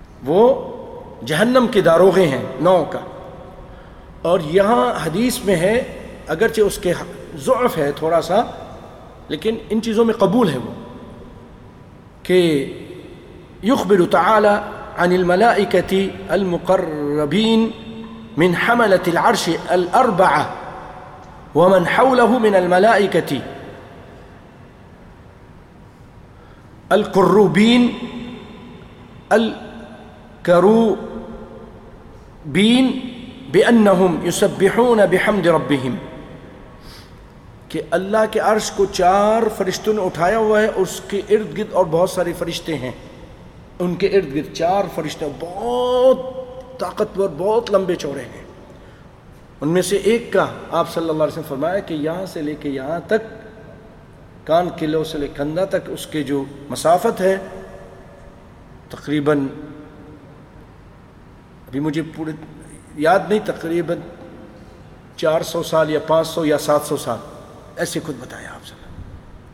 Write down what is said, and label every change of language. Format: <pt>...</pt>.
<ur>وہ جہنم کے داروغے ہیں نو کا اور یہاں حدیث میں ہے اگرچہ اس کے ضعف ہے تھوڑا سا لیکن ان چیزوں میں قبول ہے وہ کہ</ur> <ar>یخبر تعالی عن الملائكة المقربين من حملة العرش الأربعة ومن حوله من الملائكة القروبين الكروبين بأنهم يسبحون بحمد ربهم.</ar> <ur>کہ اللہ کے عرش کو چار فرشتوں نے اٹھایا ہوا ہے, اس کے ارد گرد اور بہت سارے فرشتے ہیں, ان کے ارد گرد چار فرشتے بہت طاقتور بہت لمبے چوڑے ہیں. ان میں سے ایک کا آپ صلی اللہ علیہ وسلم فرمایا کہ یہاں سے لے کے یہاں تک, کان قلعہ سے لے کندھا تک اس کے جو مسافت ہے تقریباً, ابھی مجھے پورے یاد نہیں, تقریباً 400 سال یا 500 یا 700 سال ایسے خود بتایا آپ صلی اللہ علیہ وسلم.</ur>